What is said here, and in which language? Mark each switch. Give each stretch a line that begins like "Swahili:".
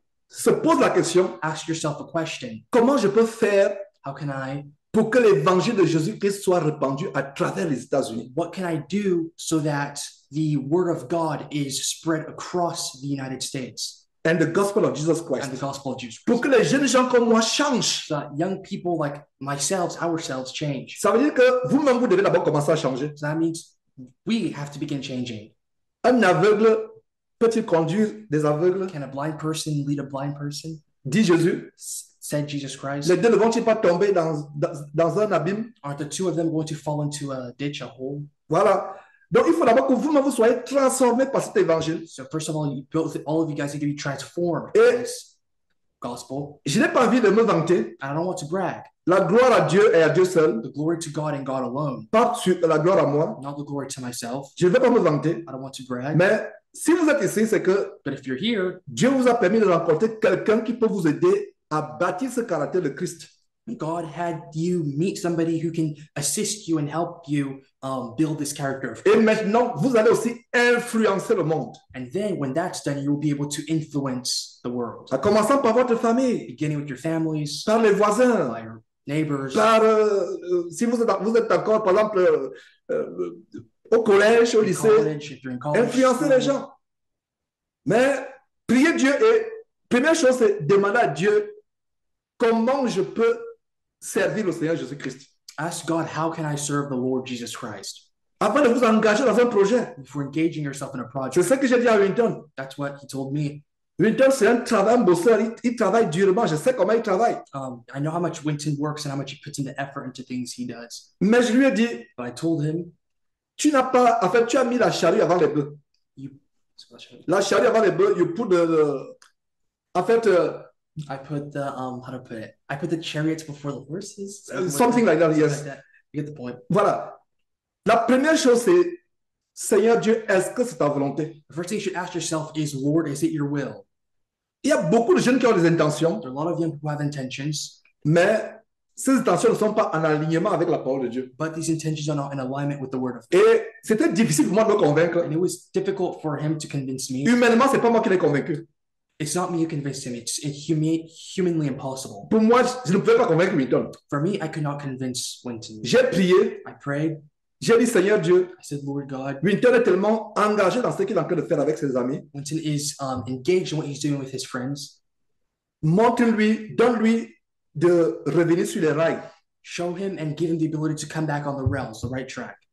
French: se pose la question,
English: ask yourself a question.
French: Comment je peux faire?
English: How can I?
French: Pour que l'évangile de Jésus-Christ soit répandu à travers les États-Unis.
English: What can I do so that the word of God is spread across the United States? And the gospel of Jesus Christ. And the gospel of Jesus Christ.
French: Pour que les jeunes gens comme moi changent.
English: So that young people like myself, ourselves, change.
French: Ça veut dire que vous-même, vous devez d'abord commencer à changer.
English: So that means we have to begin changing.
French: Un aveugle peut-il conduire des aveugles?
English: Can a blind person lead a blind person?
French: Dit Jésus.
English: Said Jesus Christ.
French: Les deux ne vont-ils pas tomber dans un abîme?
English: Aren't the two of them going to fall into a ditch, a hole?
French: Voilà. Donc il faut d'abord que vous-même vous soyez transformés par cet évangile.
English: So first of all, all of you guys need to be transformed.
French: Et
English: this gospel.
French: Je n'ai pas envie de me vanter.
English: I don't want to brag.
French: La gloire à Dieu et à Dieu seul.
English: The glory to God and God alone.
French: Pas sur la gloire à moi.
English: Not the glory to myself.
French: Je ne vais pas me vanter.
English: I don't want to brag.
French: Mais si vous êtes ici, c'est que
English: but if you're here,
French: Dieu vous a permis de rencontrer quelqu'un qui peut vous aider à bâtir ce caractère de Christ.
English: God had you meet somebody who can assist you and help you build this character of
French: Christ. Et maintenant, vous allez aussi influencer le monde.
English: And then, when that's done, you will be able to influence the world.
French: À commençant par votre famille.
English: Beginning with your families.
French: Par les voisins.
English: By your neighbors.
French: Par, si vous êtes encore, par exemple, au collège, au lycée.
English: College, if you're in college,
French: influencer les gens. Mais, prier Dieu et première chose, c'est demander à Dieu comment je peux servir le Seigneur Jésus-Christ.
English: Ask God, how can I serve the Lord Jesus Christ?
French: Avant de vous engager dans un projet.
English: Before engaging yourself in a project.
French: C'est ce que j'ai dit à Winton.
English: That's what he told me.
French: Winton, c'est un travail, un bosseur. Il travaille durement. Je sais comment il travaille.
English: I know how much Winton works and how much he puts in the effort into things he does.
French: Mais je lui ai dit.
English: But I told him.
French: Tu n'as pas, en fait, tu as mis la charrue avant les bœufs.
English: You,
French: la charrue avant les bœufs,
English: you put the I felt a. I put the how to put it? I put the chariots before the horses. Something like that. Yes. Like that. You get the point.
French: Voilà. La première chose c'est Seigneur Dieu, est-ce que c'est ta volonté?
English: The first thing you should ask yourself is, Lord, is it your will?
French: Il y a beaucoup de jeunes qui ont des intentions.
English: There are a lot of young people who have intentions.
French: Mais ces intentions ne sont pas en alignement avec la parole de Dieu.
English: But these intentions are not in alignment with the word of God.
French: Et c'était difficile pour moi de le convaincre.
English: And it was difficult for him to convince me.
French: Humainement, c'est pas moi qui l'ai convaincu.
English: It's not me who convinced him. It's humanly impossible.
French: Pour moi, je ne pouvais pas convaincre Winton.
English: For me, I could not convince Winton.
French: J'ai prié.
English: I prayed.
French: J'ai dit, Seigneur Dieu.
English: I said, Lord God.
French: Winton est tellement engagé dans ce qu'il est en train de faire avec ses amis.
English: Winton is engaged in what he's doing with his friends.
French: Montre-lui, donne-lui de revenir sur les rails.
English: Show him and give him the ability to come back on the rails, the right track.